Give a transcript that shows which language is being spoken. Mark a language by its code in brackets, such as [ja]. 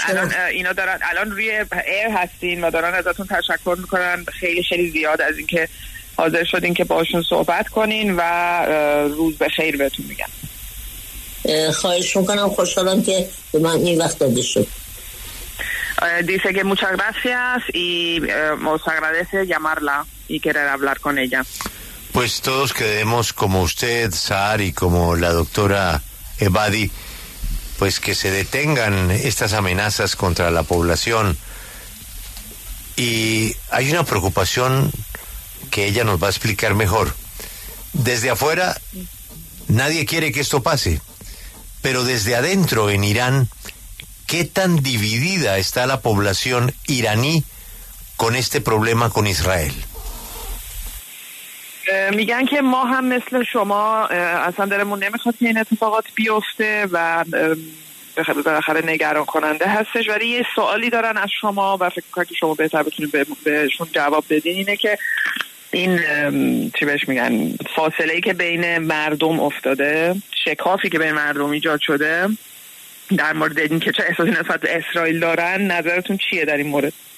[fa] الان اینا دارن الان روی ایر هستین و دارن ازتون تشکر میکنن خیلی خیلی زیاد از اینکه حاضر شدین که باشون صحبت کنین و روز بخیر بهتون میگن. خواهش میکنم. خوشحالم که به من این وقت داده شد. [es] Dice que muchas gracias y os agradece llamarla y querer hablar con ella. Pues todos queremos, como usted, Sahar, y como la doctora Ebadi, pues que se detengan estas amenazas contra la población. Y hay una preocupación que ella nos va a explicar mejor. Desde afuera, nadie quiere que esto pase, pero desde adentro, en Irán, ¿qué tan dividida está la población iraní con este problema con Israel? [fa] میگن که ما هم مثل شما اصلا درمون نمیخواد که این اتفاقات بیفته و بالاخره نگران کننده هستش. ولی یه سوالی دارن از شما و فکر کنم که شما بهتر بتونید بهشون جواب بدین. اینه که این چی بهش میگن فاصله‌ای که بین مردم افتاده، شکافی که بین مردم ایجاد شده، در مورد این که چه احساسی نسبت به اسرائیل دارن، نظرتون چیه در این مورد؟